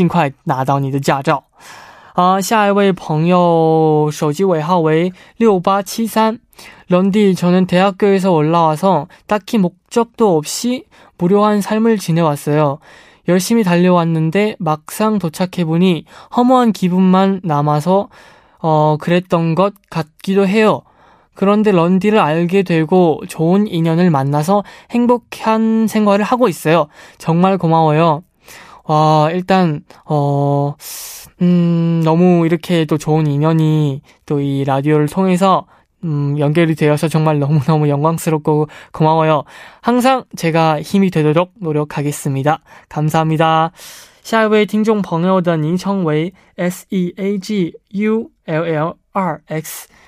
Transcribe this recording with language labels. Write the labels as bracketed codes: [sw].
[zh] 我真的很喜欢你们唱歌跳舞，每次心情低落时听了你们的歌曲，看着你们跳舞的样子，一下子就充满了力量。任俊，能给我打打气吗？哦，首先很荣幸呢，我们的歌曲和舞蹈能够为您带来了开心和力量，我们会继续努力为您加油加油的，希望你也能尽快拿到你的驾照。下一位朋友手机尾号为6873. [ko] 런디, 저는 대학교에서 올라와서 딱히 목적도 없이 무료한 삶을 지내왔어요. 열심히 달려왔는데 막상 도착해보니 허무한 기분만 남아서 그랬던 것 같기도 해요. 그런데 런디를 알게 되고 좋은 인연을 만나서 행복한 생활을 하고 있어요. 정말 고마워요. 와, 일단 너무 이렇게 또 좋은 인연이 또 이 라디오를 통해서 연결이 되어서 정말 너무너무 영광스럽고 고마워요. 항상 제가 힘이 되도록 노력하겠습니다. 감사합니다. [zh] 下一位听众朋友的昵称为 SEAGULLRX.